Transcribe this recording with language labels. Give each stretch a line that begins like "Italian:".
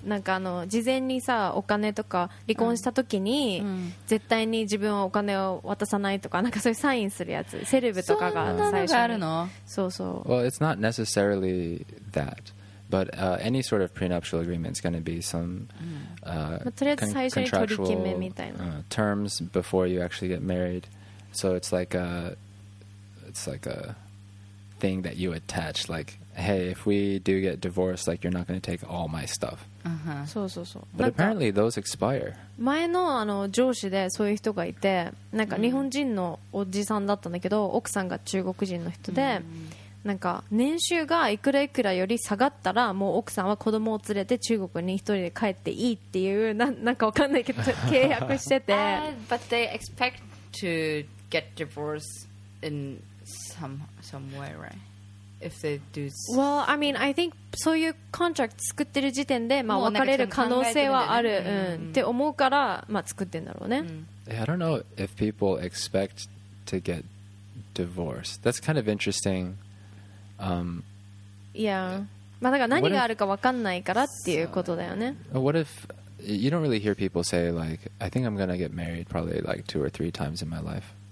Japanese: なんかあの事前にさお金とか離婚した時に、うん、絶対に自分はお金を渡さないとか、なんかそういうサインするやつ、セレブとかが最初に。そんなのがあるの？そうそう。
English: Well, it's not necessarily that, but、any sort of prenuptial agreement is going to be some、
Japanese: まあ、とりあえず最初に取り決めみたいな。
English: Terms before you actually get married. So it's like a thing that you attach, like,Hey, if we do get divorced, like you're not going to take all my stuff.
Japanese: そうそうそう。
English: But apparently those expire.
Japanese: 前のあの上司でそういう人がいて、なんか日本人のおじさんだったんだけど、奥さんが中国人の人で、なんか年収がいくらいくらより下がったら、もう奥さんは子供を連れて中国に一人で帰っていいっていう、なんかわかんないけど契約してて。
English: But they expect to get divorced in some way, right? If they do well, I mean, I think
Japanese: そういうコントラクト作ってる時点で、まあ、別れる可能性はある、うん、って思うから、まあ、作ってるんだろうね、うん、
English: I don't know if people expect to get divorced. That's kind of interesting. Yeah.
Japanese: まあ、だから何があるか分かんないからっていうことだよね。
English: What if you don't really hear people say like, I think I'm gonna get married probably like 2 or 3 times in my life.